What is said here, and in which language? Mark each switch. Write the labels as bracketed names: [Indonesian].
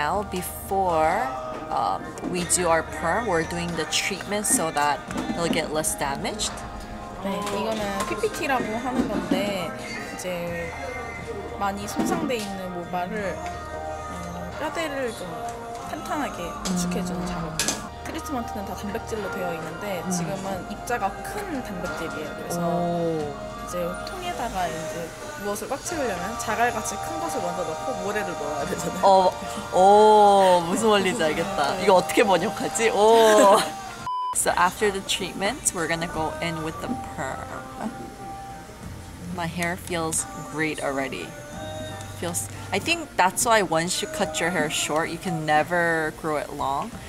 [English] Before we do our perm, we're doing the treatment so that it'll get less damaged. [Korean] 네, 이거는 PPT라고 하는 건데 이제 많이 손상돼 있는 모발을 뼈대를 좀 탄탄하게 구축해주는 작업. 트리트먼트는 다 단백질로 되어 있는데 지금은 입자가 큰 단백질이에요. 그래서 이제 통에다가 이제 무엇을 꽉 채우려면 자갈같이 큰 것을 먼저 넣고 모래를 넣어야 되잖아요. 무슨 원리인지 알겠다. 이거 어떻게 번역하지? [English] So after the treatment, we're gonna go in with the perm. My hair feels great already. I think that's why once you cut your hair short, you can never grow it long.